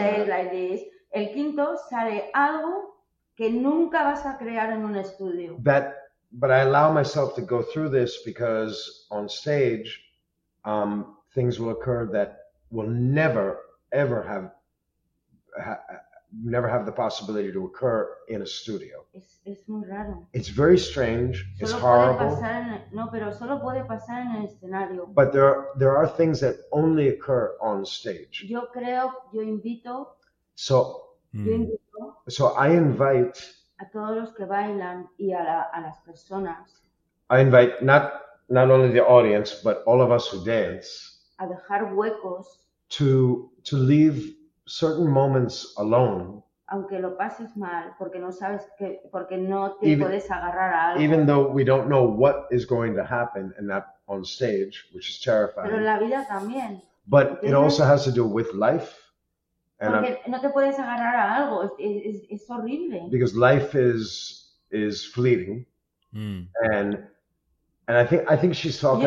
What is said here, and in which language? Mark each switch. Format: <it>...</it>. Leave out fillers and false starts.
<en>days like this,</en> <es>el quinto sale algo que nunca vas a crear en un estudio.</es> <en>But I allow myself to go through this because on stage, things will occur that will never, ever have, never have the possibility to occur in a studio.</en> <es>Es muy raro.</es> <en>It's very strange.</en> <es>Solo</es> <en>it's horrible.</en> <es>Puede pasar en, no, pero solo puede pasar en el escenario.</es> <en>But there are things that only occur on stage.</en> <es>Yo creo, yo invito.</es> <en>So.</en> <es>Yo invito</es> <en>so I invite.</en> <es>A todos los que bailan y a las personas.</es> <en>I invite not only the audience but all of us who dance.</en> <es>A dejar huecos.</es> <en>To leave certain moments alone.</en> <es>Aunque lo pases mal, porque no sabes que porque no te puedes agarrar a algo.</es> <en>Even though we don't know what is going to happen and not on stage, which is terrifying.</en> <es>Pero en la vida también.</es> <en>But it also has to do with life.</en> <es>And porque no te puedes agarrar a algo, es horrible.</es> <en>Because life is fleeting, and I think she's talking</en>